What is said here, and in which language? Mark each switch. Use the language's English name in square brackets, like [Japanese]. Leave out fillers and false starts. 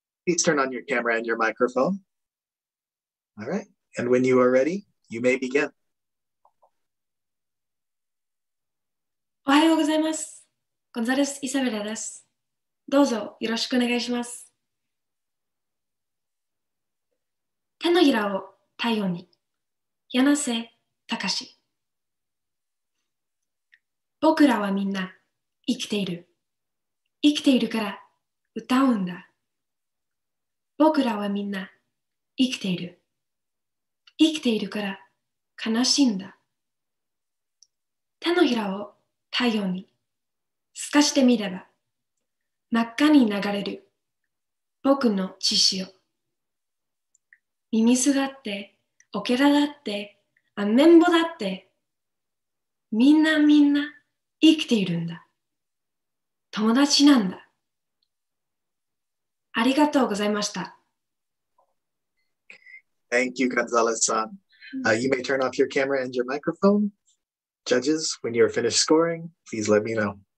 [English] Please turn on your camera and your microphone. All right. And when you are ready, you may begin. [Japanese] おはようございます。ゴンザレス・イサベラです。どうぞよろしくお願いします。手のひらを太陽に。柳瀬隆。僕らはみんな生きている。生きているから歌うんだ。僕らはみんな生きている。生きているから悲しいんだ。手のひらを太陽に透かしてみれば真っ赤に流れる僕の血潮。ミミスだってオケラだってアメンボだってみんなみんな生きているんだ。友達なんだ。ありがとうございました。 [English] Thank you, Gonzalez-san. You may turn off your camera and your microphone. Judges, when you're finished scoring, please let me know.